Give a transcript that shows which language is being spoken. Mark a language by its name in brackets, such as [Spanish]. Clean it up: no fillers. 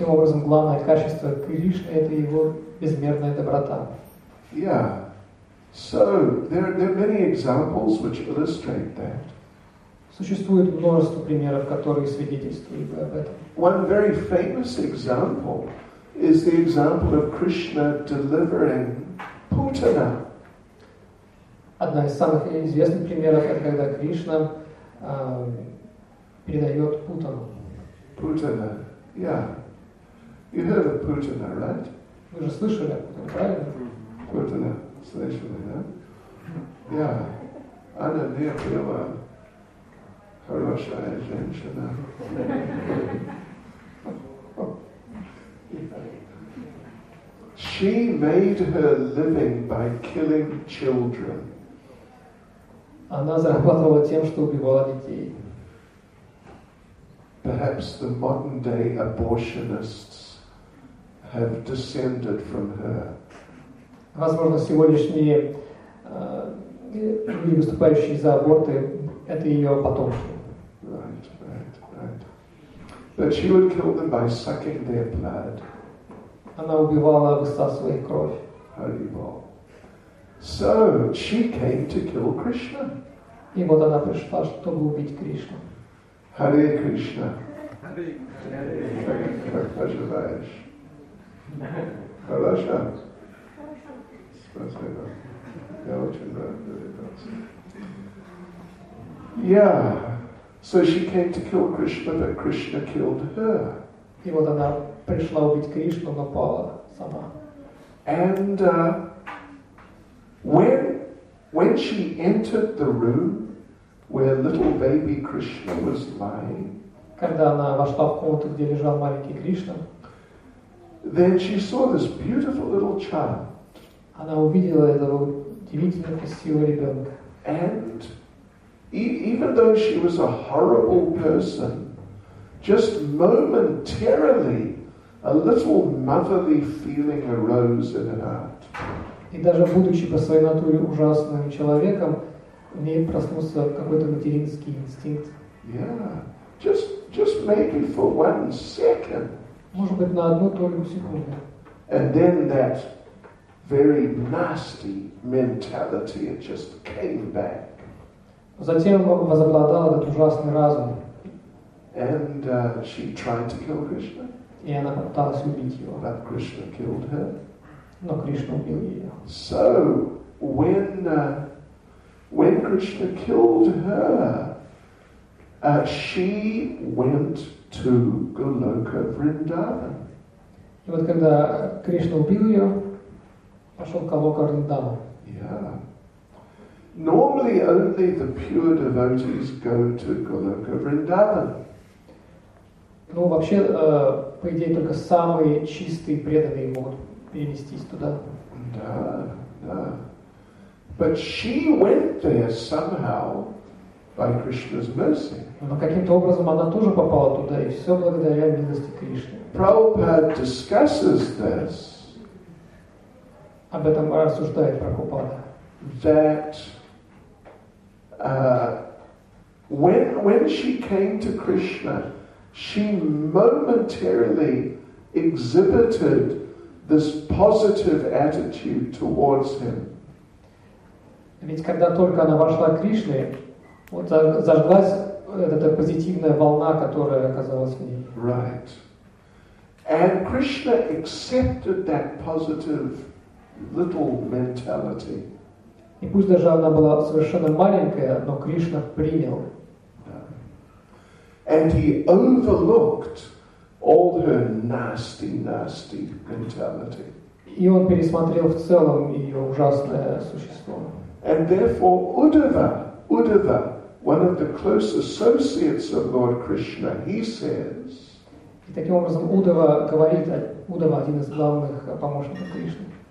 [Russian] Таким образом, главное качество Кришны – это его безмерная доброта. [English] Yeah. So there are many examples which illustrate that. [Russian] Существует множество примеров, которые свидетельствуют об этом. [English] One very famous example is the example of Krishna delivering Putana. [Russian] Одна из самых известных примеров – это когда Кришна передает Путану. [English] Путана, yeah. You heard of Путана, right? [Russian] Вы же слышали о Путане, правильно? Путана, слышали, да? [English] Yeah? Yeah. [Russian] Она не была хорошая женщина. [English] She made her living by killing children. [Russian] Она зарабатывала тем, что убивала детей. [English] Perhaps the modern day abortionists have descended from her. [Russian] Возможно, сегодняшние люди, выступающие за аборты, это ее потомки. [English] Right, right, right. But she would kill them by sucking their blood. [Russian] Она убивала, высасывая их кровь. [English] Hare Bol. So she came to kill Krishna. [Russian] И вот она пришла, чтобы убить Кришну. Харе Кришна. Харе. Как поживаешь? Хорошо? Хорошо. Спасибо. Я очень рад, что [English] Yeah. So she came to kill Krishna, but Krishna killed her. [Russian] И вот она пришла убить Кришну, но пала сама. [English] And when she entered the room where little baby Krishna was lying. [Russian] Когда она вошла в комнату, где лежал маленький Кришна, [English] then she saw this beautiful little child. [Russian] Она увидела этого удивительного красивого ребенка. [English] And even though she was a horrible person, just momentarily a little motherly feeling arose in her heart. [Russian] И даже будучи по своей натуре ужасным человеком, в ней проснулся какой-то материнский инстинкт. [English] Yeah. Just maybe for one second. [Russian] Может быть, на одну только секунду. [English] And then that very nasty mentality, it just came back. [Russian] Затем возобладал этот ужасный разум. [English] And she tried to kill Krishna. [Russian] И она попыталась убить его. [English] But Krishna killed her. [Russian] Но Кришна убил ее. [English] So, when Krishna killed her, she went to Goloka Vrindavan. [Russian] И вот когда Кришна убил ее, пошел к Голока Вриндаван. [English] Yeah. normally only the pure devotees go to Goloka Vrindavan. [Russian] Ну вообще, по идее, только самые чистые преданные могут перенестись туда. Да, да. [English] But she went there somehow by Krishna's mercy. [Russian] Но каким-то образом она тоже попала туда, и все благодаря милости Кришны. [English] Prabhupada discusses this. [Russian] Об этом рассуждает Прабхупада. [English] That when she came to Krishna, she momentarily exhibited this positive attitude towards him. [Russian] Ведь когда только она вошла к Кришне, вот зажглась эта позитивная волна, которая оказалась в ней. [English] Right. And Krishna accepted that positive little mentality. [Russian] И пусть даже она была совершенно маленькая, но Кришна принял. [English] And he overlooked all her nasty, nasty mentality. [Russian] И он пересмотрел в целом ее ужасное существо. [English] And therefore Uddhava, one of the close associates of Lord Krishna, he says. [Russian] И таким образом Уддхава говорит, Уддхава один из главных помощников Кришны.